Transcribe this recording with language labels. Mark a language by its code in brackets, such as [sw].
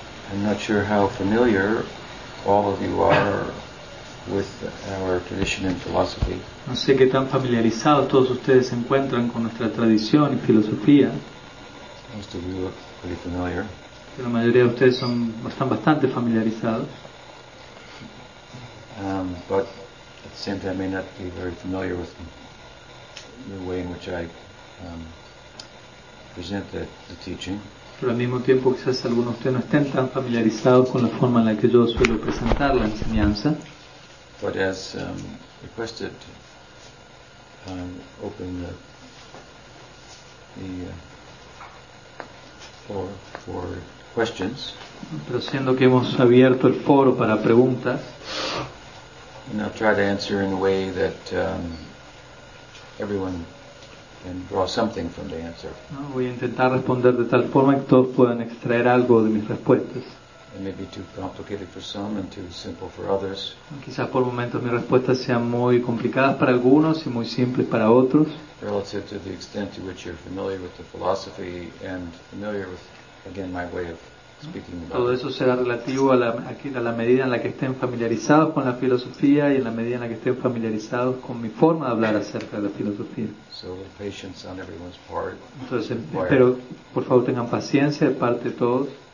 [en] I'm not sure how familiar all of you are with our tradition and philosophy. [es] No sé qué tan familiarizados todos ustedes se encuentran con nuestra tradición y filosofía. [en] Most of you look pretty familiar. [es] La mayoría de ustedes son, están bastante familiarizados. [en] But at the same time may not be very familiar with the way in which I present the teaching. [es] Pero al mismo tiempo quizás algunos de ustedes no estén tan familiarizados con la forma en la que yo suelo presentar la enseñanza. [en] But as requested, open the floor for questions. [es] Pero siendo que hemos abierto el foro para preguntas, [en] and I'll try to answer in a way that everyone can draw something from the answer. [es] No, voy a intentar responder de tal forma que todos puedan extraer algo de mis respuestas. [en] It may be too complicated for some and too simple for others. [es] Quizás por momentos mis respuestas sean muy complicadas para algunos y muy simples para otros. [en] Relative to the extent to which you're familiar with the philosophy and familiar with again, my way of speaking about. [es] Todo eso será relativo a la medida en la que estén familiarizados con la filosofía y en la medida en la que estén familiarizados con mi forma de hablar acerca de la filosofía. [en] So, patience on everyone's part. [es] Entonces, espero, por favor, tengan paciencia de parte de todos.